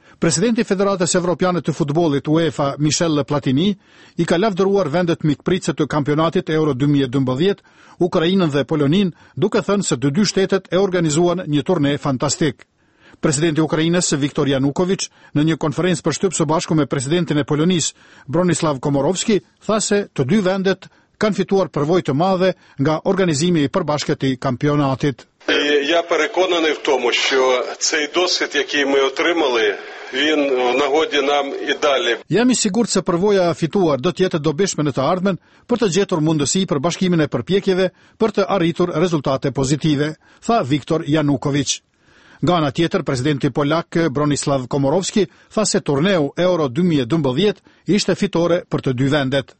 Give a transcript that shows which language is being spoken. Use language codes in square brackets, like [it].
[sq] Presidenti i Federatës Evropiane të Futbollit UEFA, Michel Platini, i ka lavdëruar vendet mikpritëse të kampionatit Euro 2012, Ukrainën dhe Polonin, duke thënë se të dy shtetet e organizuan një turne fantastik. Presidenti i Ukrainës Viktor Janukovych, në një konferencë për shtyp së bashku me presidentin e Polonisë Bronislav Komorowski, tha se të dy vendet kanë fituar përvojë të madhe nga organizimi i përbashkët i kampionatit. [uk] Я переконаний в тому, що цей досвід, який ми отримали, він в нагоді нам і далі. [sq] Jam i sigurt se përvoja e fituar do të jetë dobishme në të ardhmen për të gjetur mundësi për bashkimin e përpjekjeve për të arritur rezultate pozitive, tha Viktor Janukovych. Nga ana tjetër, presidenti polak Bronislav Komorowski tha se turneu Euro 2012 ishte fitore për të dy vendet.